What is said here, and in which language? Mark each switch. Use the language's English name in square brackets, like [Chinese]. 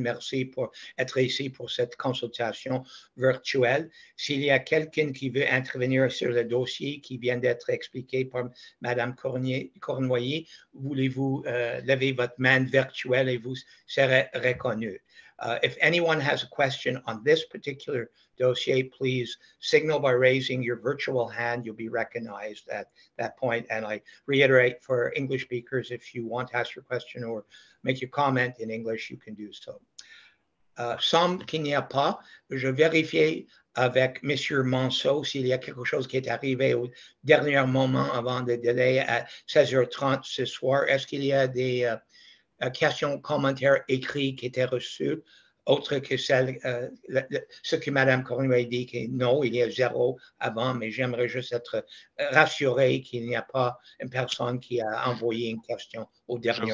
[French] Merci pour être ici pour cette consultation virtuelle. S'il y a quelqu'un qui veut intervenir sur le dossier qui vient d'être expliqué par Mme Cournoyer, voulez-vous lever votre main virtuelle et vous serez reconnu. [English] If anyone has a question on this particular dossier, please signal by raising your virtual hand. You'll be recognized at that point. And I reiterate for English speakers, if you want to ask your question or make your comment in English, you can do so. [French] Semble qu'il n'y a pas. Je vérifiais avec M. Manceau s'il y a quelque chose qui est arrivé au dernier moment avant le délai à 16h30 ce soir. Est-ce qu'il y a des questions, commentaires écrits qui étaient reçus? Autre que celle, ce que Mme Cornuay dit, que non, il y a zéro avant, mais j'aimerais juste être rassuré qu'il n'y a pas une personne qui a envoyé une question au dernier moment.